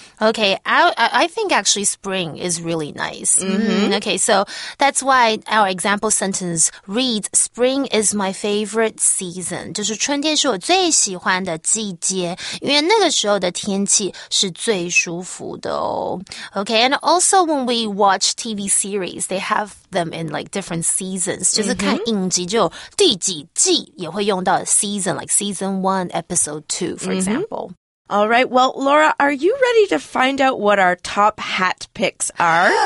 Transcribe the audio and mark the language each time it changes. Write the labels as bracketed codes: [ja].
[en] Okay, I think actually spring is really nice. Okay, so that's why our example sentence reads, spring is my favorite season. [zh] 就是春天是我最喜欢的季节，因为那个时候的天气是最舒服的哦。 [en] Okay, and also when we watch TV series, they have them in like different seasons. [zh] 就是看影集就第几季也会用到 season, [en] like season 1, episode 2, for example. All right, well, Laura, are you ready to find out what our top hat picks are?